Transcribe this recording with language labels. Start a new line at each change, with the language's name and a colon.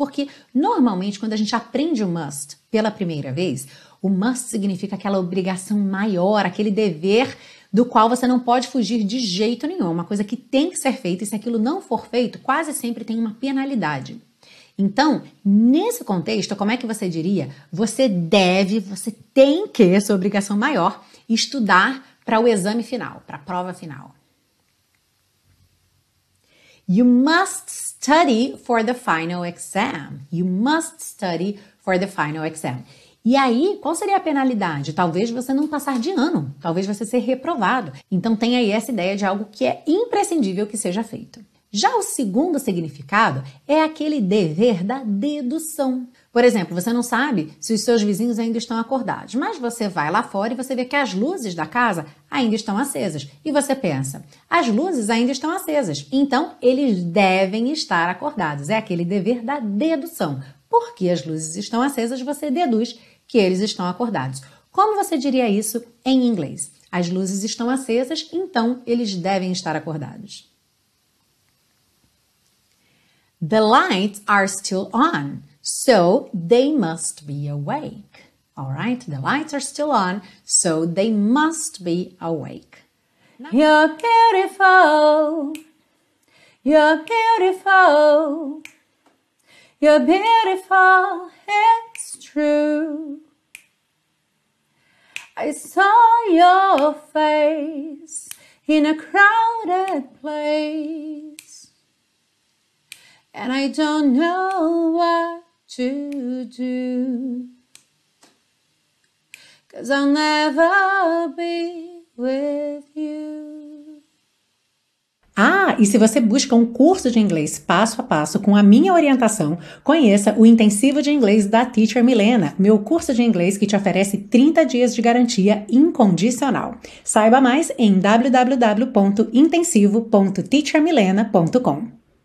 Portuguese: Porque normalmente, quando a gente aprende o must pela primeira vez, o must significa aquela obrigação maior, aquele dever do qual você não pode fugir de jeito nenhum, uma coisa que tem que ser feita, e se aquilo não for feito, quase sempre tem uma penalidade. Então, nesse contexto, como é que você diria? Você deve, você tem que, sua obrigação maior, estudar para o exame final, para a prova final.
English: You must study for the final exam. You must study for the final exam.
Portuguese: E aí, qual seria a penalidade? Talvez você não passar de ano, talvez você ser reprovado. Então, tem aí essa ideia de algo que é imprescindível que seja feito. Já o segundo significado é aquele dever da dedução. Por exemplo, você não sabe se os seus vizinhos ainda estão acordados, mas você vai lá fora e você vê que as luzes da casa ainda estão acesas. E você pensa, as luzes ainda estão acesas, então eles devem estar acordados. É aquele dever da dedução. Porque as luzes estão acesas, você deduz que eles estão acordados. Como você diria isso em inglês? As luzes estão acesas, então eles devem estar acordados.
English: The lights are still on, so they must be awake. All right, the lights are still on, so they must be awake. You're beautiful. You're beautiful. You're beautiful, it's true. I saw your face in a crowded place. And I don't know what to do. 'Cause I'll never be with you.
Portuguese: Ah, e se você busca um curso de inglês passo a passo com a minha orientação, conheça o Intensivo de Inglês da Teacher Milena, meu curso de inglês que te oferece 30 dias de garantia incondicional. Saiba mais em www.intensivo.teachermilena.com.